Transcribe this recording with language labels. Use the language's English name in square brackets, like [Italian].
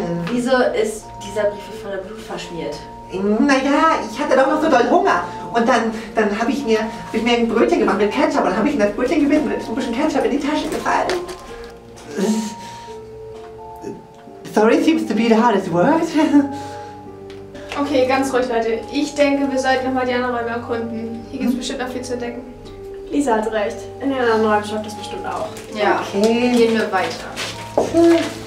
[German] Wieso ist dieser Brief voller Blut verschmiert? Naja, ich hatte doch noch so doll Hunger. Und dann hab ich mir ein Brötchen gemacht mit Ketchup. Und dann habe ich in das Brötchen gebissen und ein bisschen Ketchup in die Tasche gefallen. [English] Sorry seems to be the hardest word. [German] Okay, ganz ruhig, Leute. Ich denke, wir sollten nochmal die anderen Räume erkunden. Hier gibt es bestimmt noch viel zu entdecken. Lisa hat recht. In den anderen Räumen schafft es bestimmt auch. Ja, okay. Gehen wir weiter.